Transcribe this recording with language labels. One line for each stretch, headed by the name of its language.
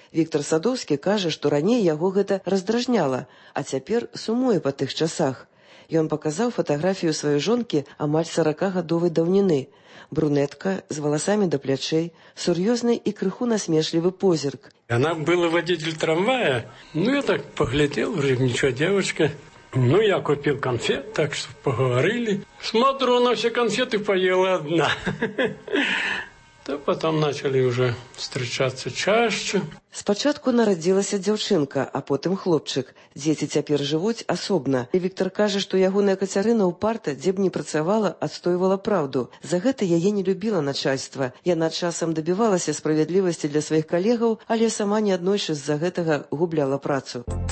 Belarusian: Віктар Садоўскі кажа, што раней яго гэта раздражняла, а цяпер сумуе па тых часах. Ён паказаў фатаграфію сваёй жонкі амаль 40-гадовай даўніны. Брунетка з валасамі да плячэй, сур'ёзны і крыху насмешлівы позірк. Яна была вадзіцель трамвая. Ну я так паглядзеў, нічога, дзявачка.
Russian: Ну, я купил конфет, так что поговорили. Смотрю, она все конфеты поела одна. Да потом начали уже встречаться чаще.
Belarusian: Спочатку народилася дзяўчынка, а потым хлопчык. Дзеці цяпер жывуць асобна. І Віктор кажа, што ягоная Кацярына ўпарта, дзе б не працавала, адстойвала праўду. За гэта яе не любіла начальства. Яна часам дабівалася справядлівасці для сваіх калегаў, але сама не аднойчы з-за гэтага губляла працу.